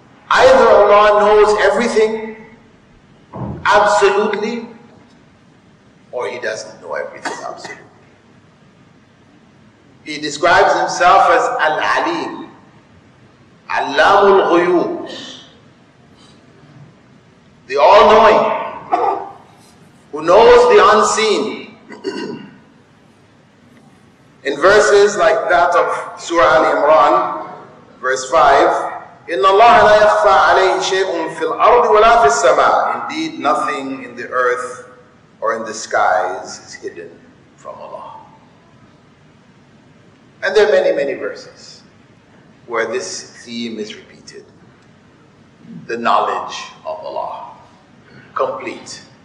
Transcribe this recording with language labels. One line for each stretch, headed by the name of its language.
English: Either Allah knows everything absolutely, or He doesn't know everything absolutely. He describes Himself as Al-Alim, Allamul Ghuyub, the all-knowing, who knows the unseen. In verses like that of Surah Al-Imran, verse 5,
Arabic: إِنَّ اللَّهَ لَا يَخْفَى عَلَيْهِ شَيْءٌ فِي الْأَرْضِ وَلَا فِي السَّمَاءِ.
English: Indeed, nothing in the earth or in the skies is hidden from Allah. And there are many, many verses. where this theme is repeated. The knowledge of Allah, complete.